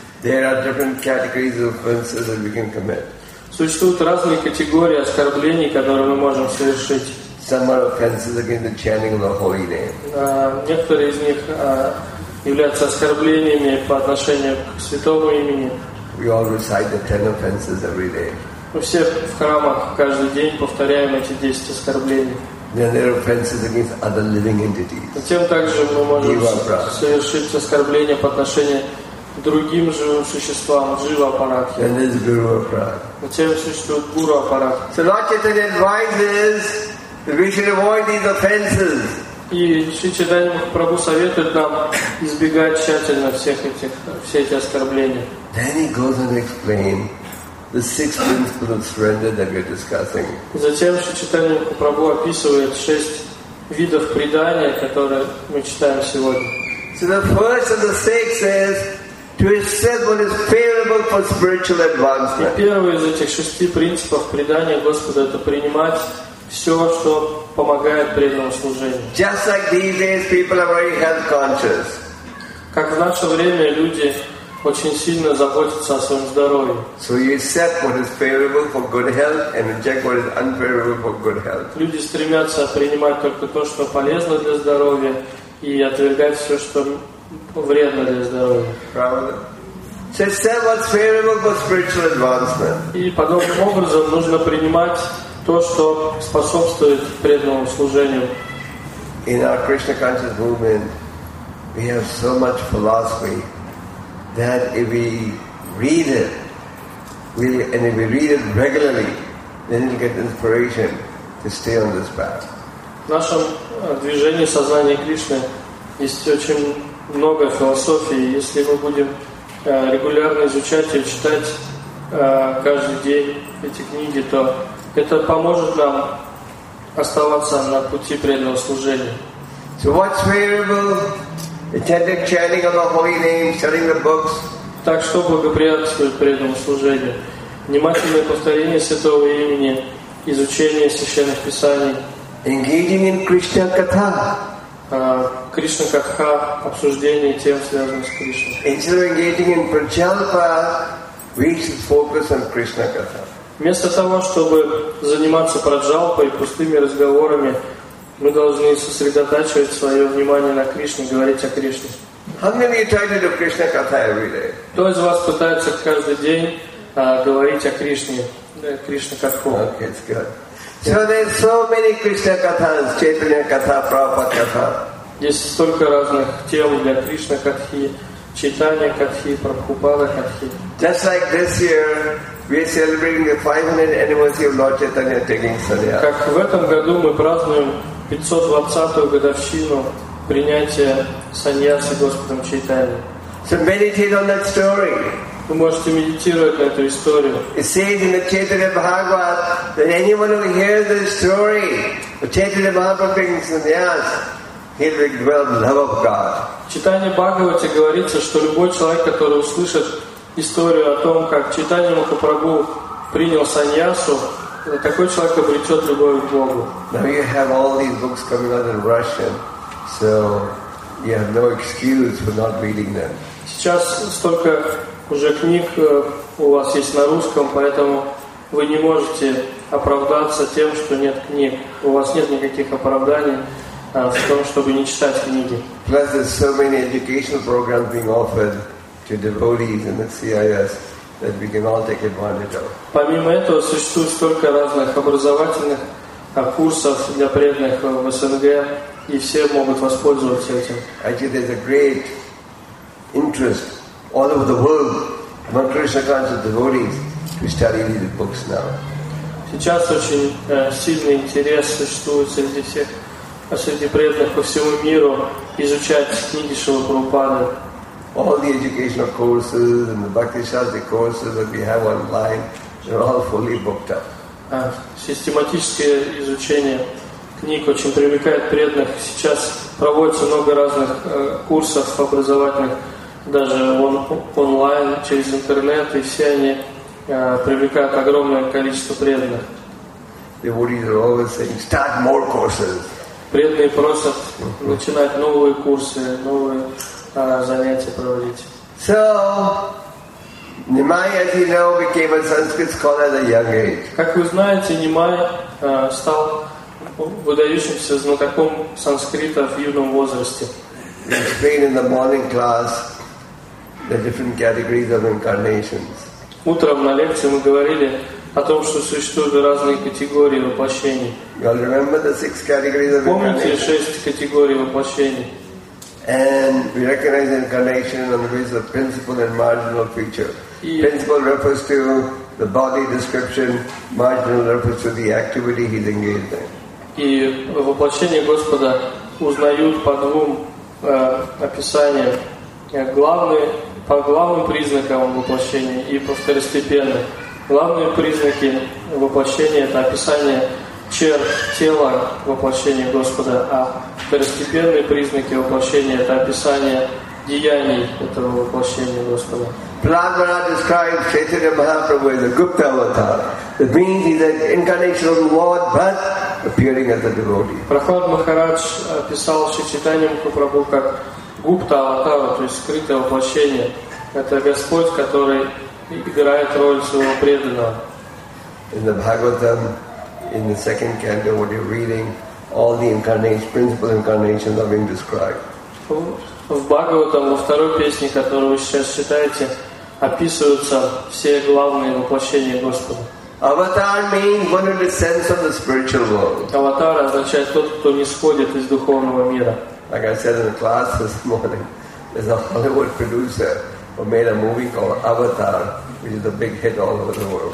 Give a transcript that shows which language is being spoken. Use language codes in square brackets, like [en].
[en] There are different categories of offenses that we can commit. [ru] Существуют разные категории оскорблений, которые мы можем совершить. [en] Some are offenses against the chanting of the holy name. [ru] Некоторые из них являются оскорблениями по отношению к святому имени. [en] We all recite the 10 offenses every day. [ru] Мы все в храмах каждый день повторяем эти 10 оскорблений. [en] then there are offenses against other living entities. [ru] Затем также мы можем совершить оскорбление по отношению другим живым существам, жива аппарат. [en] And this guru aparat. [ru] Затем существует гуру аппарат. [en] So Lord Chaitanya advises that we should avoid these offenses. [ru] И Шри Чайтанья Махапрабху советует нам избегать тщательно всех этих, все эти оскорбления. [en] Then he goes and explains the six principles of surrender that we're discussing. [ru] Затем Шри Чайтанья Махапрабху описывает шесть видов предания, которые мы читаем сегодня. [en] So the first of the six is to accept what is favorable for spiritual advancement. [ru] И первый из этих шести принципов предания Господа — это принимать все, что помогает преданному служению. [en] Just like these days, people are very health conscious. [ru] Как в наше время люди очень сильно заботятся о своем здоровье. [en] So you accept what is favorable for good health and reject what is unfavorable for good health. [ru] Люди стремятся принимать только то, что полезно для здоровья, и отвергать все, что вредно для здоровья. Правда? [en] So accept what's favorable for spiritual advancement. [ru] И подобным образом нужно принимать то, что способствует преданному служению. [en] In our Krishna conscious movement, we have so much philosophy that if we read it, if we read it regularly, then we get inspiration to stay on this path. [ru] В нашем движении сознания Кришны есть очень много философии. Если мы будем регулярно изучать и читать каждый день эти книги, то это поможет нам оставаться на пути преданного служения. [en] So what's favorable? Attending chanting of the holy names, studying the books. [ru] Так что благоприятствует преданному служению? Внимательное повторение святого имени, изучение священных писаний. [en] Engaging in Krishna katha. [ru] Krishna katha, обсуждение тем, связанных с Кришной. [en] Instead of engaging in prachalpa, we should focus on Krishna katha. [ru] Вместо того, чтобы заниматься праджалпой и пустыми разговорами, мы должны сосредотачивать свое внимание на Кришне, говорить о Кришне. [en] How many of you try to do Krishna katha every day? [ru] Кто из вас пытается каждый день говорить о Кришне, Кришна катху? [en] Okay, it's good. So there's so many Krishna kathas, Chaitanya katha, Prabhupada katha. [ru] Есть столько разных тем для Кришна катхи, Чайтанья катхи, Прабхупада катхи. [en] Just like this year, we are celebrating the 500th anniversary of Lord Chaitanya taking sannyas. [ru] Как в этом году мы празднуем 520-ю годовщину принятия саньяса Господом Чайтанья. [en] So meditate on that story. [ru] Вы можете медитировать на эту историю. [en] It says in the Chaitanya Bhagavat that anyone who hears the story of Chaitanya Mahaprabhu taking sannyas, he will dwell in love of God. [ru] В Чайтанье Бхагавате говорится, что любой человек, который услышит историю о том, как Чайтанья Махапрабху принял саньясу, такой человек обретет любовь к Богу. [en] Now you have all these books coming out in Russian, so you have no excuse for not reading them. [ru] Сейчас столько уже книг у вас есть на русском, поэтому вы не можете оправдаться тем, что нет книг. У вас нет никаких оправданий в том, чтобы не читать книги. [en] Plus, there's so many educational programs being offered to devotees in the CIS that we can all take advantage of. [ru] Помимо этого, существует столько разных образовательных курсов для преданных в СНГ, и все могут воспользоваться этим. [en] Actually, there's a great interest all over the world among Krishna conscious devotees to study these books now. [ru] Сейчас очень сильный интерес существует среди всех, а среди преданных по всему миру изучать книги Шрилы Прабхупады. [en] All the educational courses and the Bhakti Shastri courses that we have online, they're all fully booked up. [ru] Систематическое изучение книг очень привлекает преданных. Сейчас проводится много разных курсов образовательных, даже онлайн, через интернет, и все они привлекают огромное количество преданных. [en] Devotees are always saying, start more courses. [ru] Преданные просят начинать новые курсы, новые занятия проводить. [en] So, Nimai, as you know, became a Sanskrit scholar at a young age. [ru] Как вы знаете, Нимай стал выдающимся знатоком санскрита в юном возрасте. [en] He explained in the morning class the different categories of incarnations. [ru] Утром на лекции мы говорили о том, что существуют разные категории воплощений. Помните шесть категорий воплощений? [en] And we recognize incarnation on the basis of principal and marginal feature. Principal refers to the body description, marginal refers to the activity he's engaged in. [ru] И в воплощении Господа узнают по двум описаниям. Главные, по главным признакам воплощения и по второстепенным. Главные признаки воплощения — это описание черт тела воплощения Господа, а второстепенные признаки воплощения — это описание деяний этого воплощения Господа. [en] Prabhupada describes Chaitanya Mahaprabhu as a Gupta avatar. That means he's an incarnation of the Lord, but appearing as a devotee. [ru] Prabhupada Maharaj описал Chaitanya Mahaprabhu как Гупта аватара, то есть скрытое воплощение. Это Господь, который играет роль своего преданного. [en] In the Bhagavatam, in the second canto, what you're reading, all the incarnations, principal incarnations are being described. [ru] В Бхагаватам, во второй песне, которую вы сейчас читаете, описываются все главные воплощения Господа. [en] Avatar means one who descends from the spiritual world. [ru] Аватар означает тот, кто не сходит из духовного мира. [en] Like I said in the class this morning, there's a Hollywood producer who made a movie called Avatar, which is a big hit all over the world.